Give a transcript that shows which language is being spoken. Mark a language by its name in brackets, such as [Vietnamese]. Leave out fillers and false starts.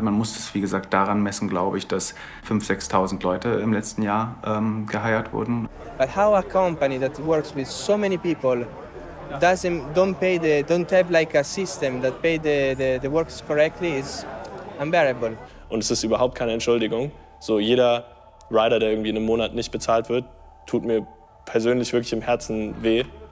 [German] Man muss es, wie gesagt, daran messen, glaube ich, dass 5.000, 6.000 Leute im letzten Jahr geheiert wurden. [English] But how a company that works with so many people doesn't have a system that pays the workers correctly is unbearable. [German] Und es ist überhaupt keine Entschuldigung. So jeder Rider, der irgendwie in einem Monat nicht bezahlt wird, tut mir persönlich wirklich im Herzen weh.